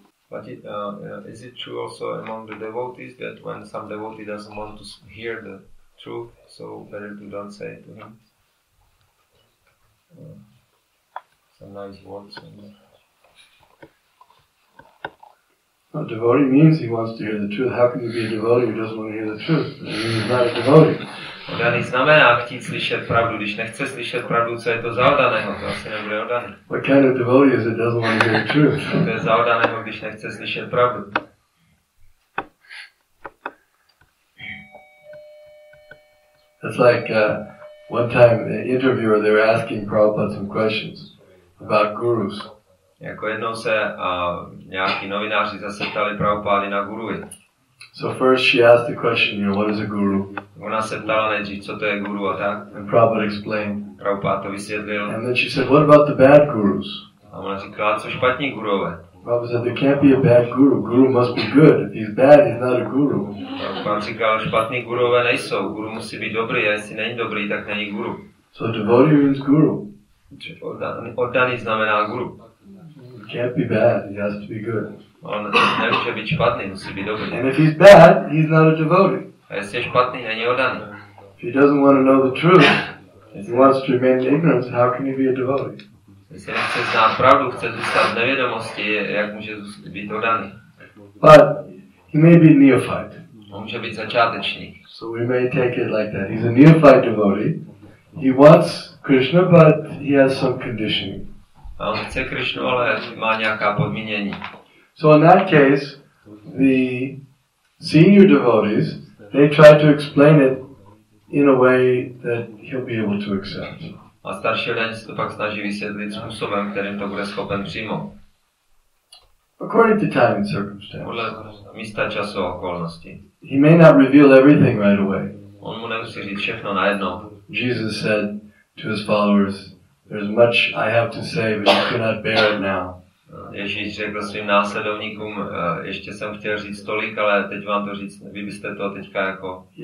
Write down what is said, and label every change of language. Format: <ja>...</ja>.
<en>But is it true also among the devotees that when some devotee doesn't want to hear the truth, so better to don't say it to him? Some nice words. A devotee means he wants to hear the truth. How can you be a devotee who doesn't want to hear the truth? He's not a devotee.</en> <cs>Oddaný znamená chtít slyšet pravdu. Když nechce slyšet pravdu, co je to za oddaného? To asi nebude oddaný.</cs> <en>What kind of devotee is it doesn't want to hear the truth?</en> <cs>To je za oddaného, když nechce slyšet pravdu.</cs> <en>It's like one time the interviewer, they were asking Prabhupada some questions about gurus.</en> <cs>Jako jednou se nějaký novináři zase ptali Prabhupády na guruji.</cs> <en>So first she asked the question, you know, what is a guru?</en> <cs>Ona se ptala nejdřív, co to je guru, a tak?</cs> <en>And Prabhupada explained.</en> <cs>Prabhupáda to vysvětlil.</cs> <en>And then she said, what about the bad gurus?</en> <cs>A ona říkala, co špatní gurové?</cs> <en>Prabhupada said, there can't be a bad guru. Guru must be good. If he's bad, he's not a guru.</en> <cs>Prabhupáda říkal, špatní gurové nejsou. Guru musí být dobrý, a jestli není dobrý, tak není guru.</cs> <en>So devotee means guru.</en> <cs>Oddaný znamená guru.</cs> <en>Can't be bad. He has to be good.</en> <cs>On nemůže být špatný, musí být dobrý.</cs> <en>And if he's bad, he's not a devotee.</en> <cs>A jestli je špatný, není oddaný.</cs> <en>If he doesn't want to know the truth, if he wants to remain in ignorance, how can he be a devotee?</en> <cs>Jestli nechce znát pravdu, chce zůstat v nevědomosti, jak může být oddaný?</cs> <en>But he may be a neophyte.</en> <cs>On může být začátečník.</cs> <en>So we may take it like that. He's a neophyte devotee. He wants Krishna, but he has some conditioning.</en> <cs>A on chce Krishnu, ale má nějaká podmínění.</cs> <en>So in that case, the senior devotees, they try to explain it in a way that he'll be able to accept.</en> <cs>A starší lidé se to pak snaží vysvětlit způsobem, kterým to bude schopen přijmout.</cs> <en>According to time and circumstance.</en> <cs>Podle místa, času a okolnosti.</cs> <en>He may not reveal everything right away.</en> <cs>On mu nemusí říct všechno najednou.</cs> <en>Jesus said to his followers, there's much I have to say, but you cannot bear it now.</en> <cs>Ježíš řekl svým následovníkům, ještě jsem chtěl říct tolik, ale teď vám to říct, vy byste to teďka jako</cs>